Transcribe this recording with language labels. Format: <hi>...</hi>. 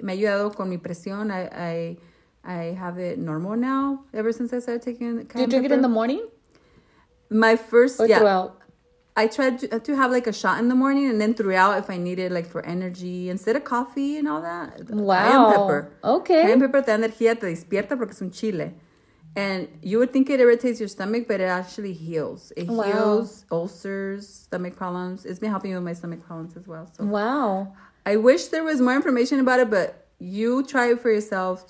<es>Me ayudado con mi presión.</es> <en>I have it normal now ever since I started taking it. Do you drink it in the morning? My first, or throughout? I tried to have like a shot in the morning and then throughout if I needed like for energy instead of coffee and all that. Wow. Cayenne pepper. Okay.</en> <es>Cayenne pepper te da energía, te despierta porque es un chile.</es> <en>And you would think it irritates your stomach, but it actually heals. It heals ulcers, stomach problems. It's been helping me with my stomach problems as well. So. Wow. I wish there was more information about it, but you try it for yourself.</en>